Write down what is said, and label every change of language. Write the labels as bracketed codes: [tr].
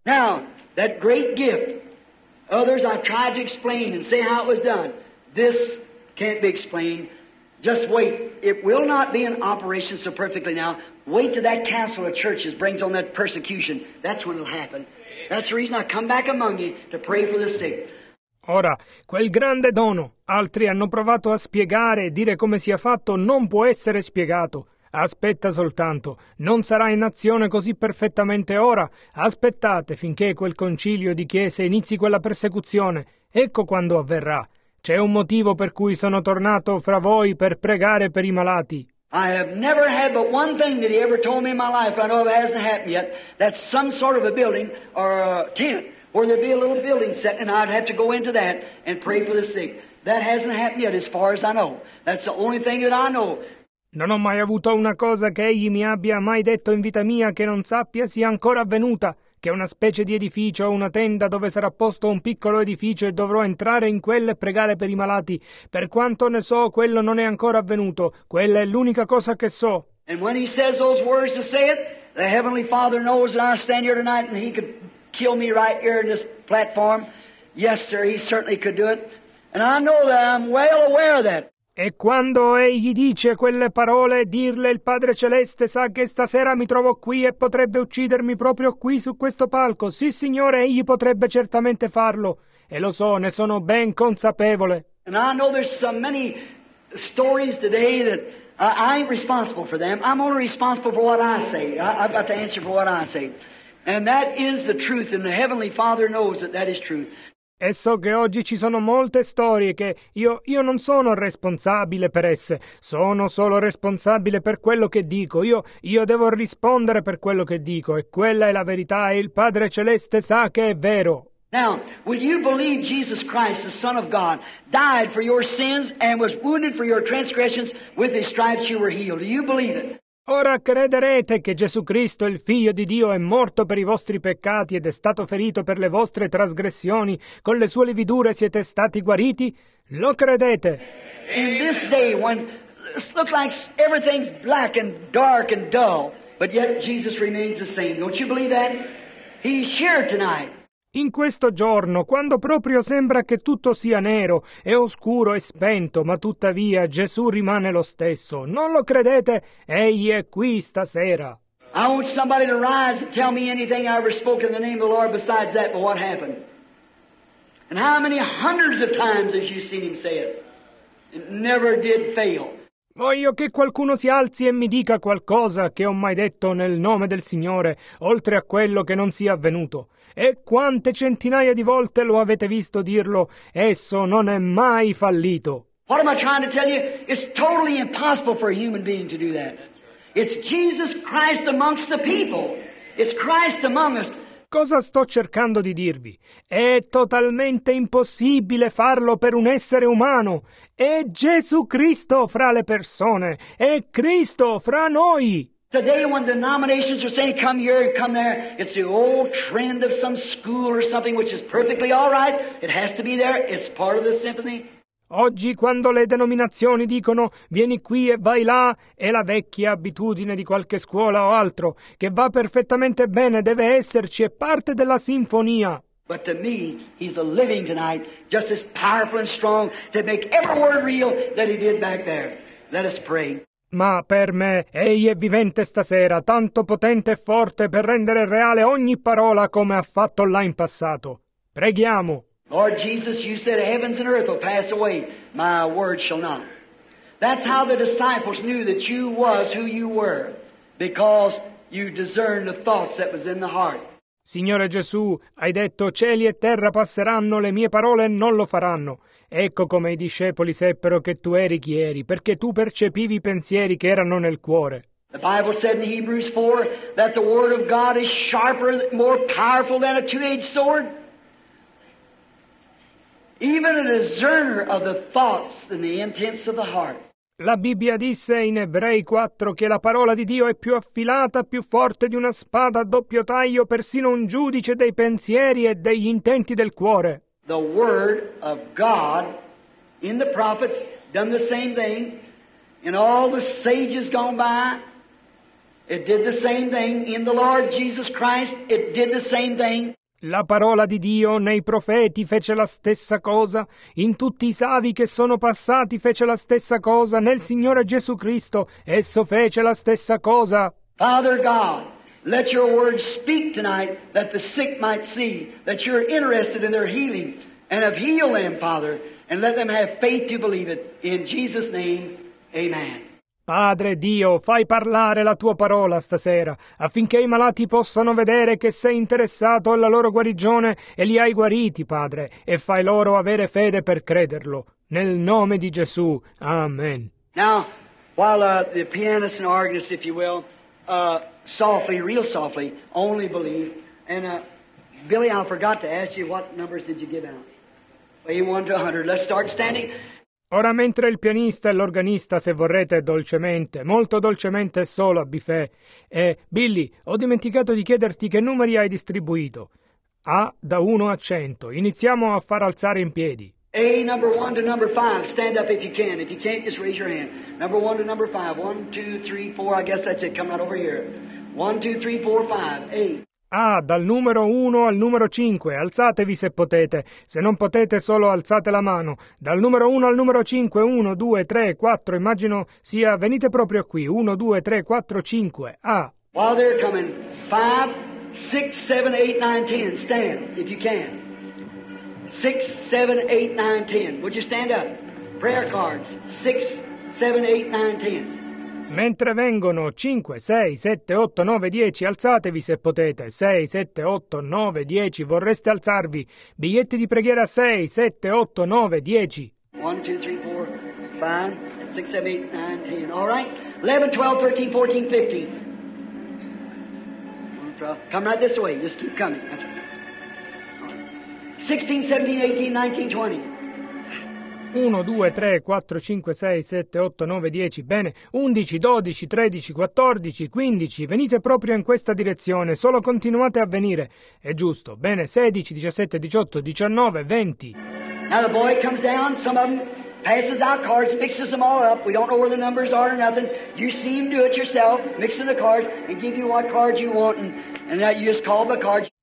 [en] Now, that great gift, others I tried to explain and say how it was done. This can't be explained. Just wait. It will not be in operation so perfectly now. Wait till that council of churches brings on that persecution. That's when it'll happen. That's the reason I come back among you to pray for the sick. [it] Ora, quel grande dono, altri hanno provato a spiegare e dire come sia fatto, non può essere spiegato. Aspetta soltanto, non sarà in azione così perfettamente ora. Aspettate finché quel concilio di chiese inizi quella persecuzione. Ecco quando avverrà. C'è un motivo per cui sono tornato fra voi per pregare per i malati. [en] I have never had but one thing that he ever told me in my life, I know it hasn't happened yet, that's some sort of a building or a tent. Or there'd be a little building set, and I'd have to go into that and pray for the sick. That hasn't happened yet, as far as I know. That's the only thing that I know. [it] Non ho mai avuto una cosa che egli mi abbia mai detto in vita mia che non sappia sia ancora avvenuta, che una specie di edificio o una tenda dove sarà posto un piccolo edificio e dovrò entrare in quella e pregare per i malati. Per quanto ne so, quello non è ancora avvenuto. Quella è l'unica cosa che so. [en] And when he says those words to say it, the Heavenly Father knows that I stand here tonight, and he could kill me right here in this platform. Yes, sir, he certainly could do it. And I know that I'm well aware of that. [it] E quando egli dice quelle parole, dirle il Padre Celeste sa che stasera mi trovo qui e potrebbe uccidermi proprio qui su questo palco. Sì, signore, egli potrebbe certamente farlo. E lo so, ne sono ben consapevole. [en] And I know there's so many stories today that I'm responsible for them. I'm only responsible for what I say. I've got to answer for what I say. And that is the truth, and the Heavenly Father knows that that is truth. [it] E so che oggi ci sono molte storie che io non sono responsabile per esse. Sono solo responsabile per quello che dico. Io devo rispondere per quello che dico, e quella è la verità, e il Padre Celeste sa che è vero. [en] Now, will you believe Jesus Christ, the Son of God, died for your sins and was wounded for your transgressions, with his stripes you were healed? Do you believe it? [it] Ora crederete che Gesù Cristo, il Figlio di Dio, è morto per i vostri peccati ed è stato ferito per le vostre trasgressioni, con le sue lividure siete stati guariti? Lo credete? [en] In this day when it looks like everything's black and dark and dull, but yet Jesus remains the same. Don't you believe that? He's here tonight. [it] In questo giorno, quando proprio sembra che tutto sia nero, è oscuro e spento, ma tuttavia Gesù rimane lo stesso. Non lo credete? Egli è qui stasera. [en] I want somebody to rise and tell me anything I ever spoke in the name of the Lord besides that, but what happened? And how many hundreds of times have you seen him say it? never did fail. [it] Voglio che qualcuno si alzi e mi dica qualcosa che ho mai detto nel nome del Signore, oltre a quello che non sia avvenuto. E quante centinaia di volte lo avete visto dirlo, esso non è mai fallito. [en] What am I trying to tell you? It's totally impossible for a human being to do that. It's Jesus Christ amongst the people. It's Christ among us. [it] Cosa sto cercando di dirvi? È totalmente impossibile farlo per un essere umano. È Gesù Cristo fra le persone. È Cristo fra noi. [en] Today when denominations are saying come here, come there, it's the old trend of some school or something which is perfectly all right. It has to be there. It's part of the symphony. [it] Oggi quando le denominazioni dicono vieni qui e vai là, è la vecchia abitudine di qualche scuola o altro, che va perfettamente bene, deve esserci, è parte della sinfonia. [en] But to me, he's a living tonight, just as powerful and strong to make every word real that he did back there. Let us pray. [it] Ma per me, egli è vivente stasera, tanto potente e forte per rendere reale ogni parola come ha fatto là in passato. Preghiamo. [en] Lord Jesus, you said heavens and earth will pass away, my word shall not. That's how the disciples knew that you was who you were, because you discerned the thoughts that was in the heart. [it] Signore Gesù, hai detto cieli e terra passeranno, le mie parole non lo faranno. Ecco come i discepoli seppero che tu eri chi eri, perché tu percepivi i pensieri che erano nel cuore. [en] The Bible said in Hebrews 4 that the word of God is sharper, more powerful than a two-edged sword. Even a discerner of the thoughts and the intents of the heart. [it] La Bibbia disse in Ebrei 4 che la parola di Dio è più affilata, più forte di una spada a doppio taglio, persino un giudice dei pensieri e degli intenti del cuore. [en] The word of God in the prophets done the same thing, in all the sages gone by, it did the same thing, in the Lord Jesus Christ, it did the same thing. [it] La parola di Dio nei profeti fece la stessa cosa, in tutti i savi che sono passati fece la stessa cosa, nel Signore Gesù Cristo esso fece la stessa cosa. [en] Father God, let your word speak tonight that the sick might see that you're interested in their healing and have healed them, Father, and let them have faith to believe it. In Jesus' name, amen. [it] Padre Dio, fai parlare la tua parola stasera, affinché i malati possano vedere che sei interessato alla loro guarigione e li hai guariti, Padre, e fai loro avere fede per crederlo. Nel nome di Gesù. Amen. [en] Now, while the pianist and organist, if you will, softly, real softly, only believe, and Billy, I forgot to ask you what numbers did you give out? 81 to 100. Let's start standing. [it] Ora mentre il pianista e l'organista, se vorrete, dolcemente, molto dolcemente solo a buffet. Billy, ho dimenticato di chiederti che numeri hai distribuito. A da 1 a 100. Iniziamo a far alzare in piedi. [en] A number 1 to number 5. Stand up if you can. If you can't, just raise your hand. Number 1 to number 5. 1, 2, 3, 4. I guess that's it. Come right over here. 1, 2, 3, 4, 5. [it] A dal numero 1 al numero 5, alzatevi se potete, se non potete solo alzate la mano. Dal numero 1 al numero 5, 1, 2, 3, 4, immagino sia, venite proprio qui, 1, 2, 3, 4, 5, A. [en] While they're coming, 5, 6, 7, 8, 9, 10, stand, if you can. 6, 7, 8, 9, 10, would you stand up? Prayer cards, 6, 7, 8, 9, 10. [it] Mentre vengono 5, 6, 7, 8, 9, 10, alzatevi se potete. 6, 7, 8, 9, 10, vorreste alzarvi? Biglietti di preghiera 6, 7, 8, 9, 10. [en] 1, 2, 3, 4, 5, 6, 7, 8, 9, 10. All right. 11, 12, 13, 14, 15. Come right this way. Just keep coming. That's right. 16, 17, 18, 19, 20. [it] 1, 2, 3, 4, 5, 6, 7, 8, 9, 10, bene, 11, 12, 13, 14, 15, venite proprio in questa direzione, solo continuate a venire, è giusto, bene, 16, 17, 18, 19, 20. [en] Now the boy comes down, some of them passes out cards, mixes them all up, we don't know where the numbers are or nothing, you see him do it yourself, mixing the cards, and give you what cards you want, and that you just call the cards.